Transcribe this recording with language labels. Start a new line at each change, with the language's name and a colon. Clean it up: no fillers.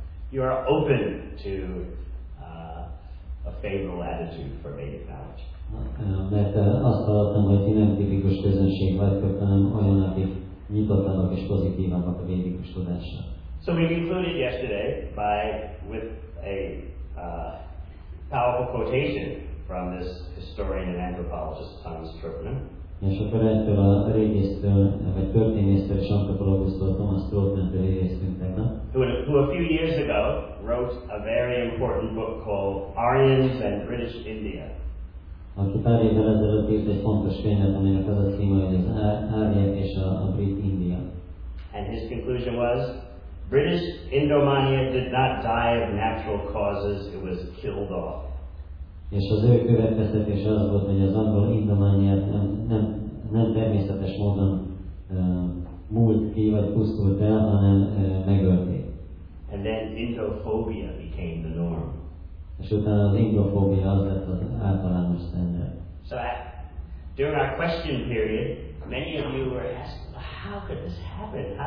English: You are open to a favorable attitude for native knowledge.
Hungarian: Mert azt hallottam, hogy ti nem tipikus közönség vagytok, hanem olyan, akik nyitottabbak és pozitívabbak a védikus tudásra.
English: So we concluded yesterday with a powerful quotation from this historian and anthropologist Thomas Troutman.
Hungarian: És akkor ettől a régésztől, vagy történésztől és antropológusztól Thomas Troutmantől idéztünk tegnap.
English: Who a few years ago wrote a very important book called Aryans and British India.
Hungarian: Aki pár évvel ezelőtt írt egy fontos könyvet, aminek az a címe, hogy az Áriák és a Brit India.
English: And his conclusion was, British Indomania did not die of natural causes, it was killed off.
Hungarian: És az ő következtetése az volt, hogy az angol indomániát nem természetes módon múlt ki, vagy pusztult el, hanem megölték.
English: And then indophobia became the norm.
Hungarian: És utána az indophobia az lett az általános standard.
English: So during our question period, many of you were asked, how could this happen?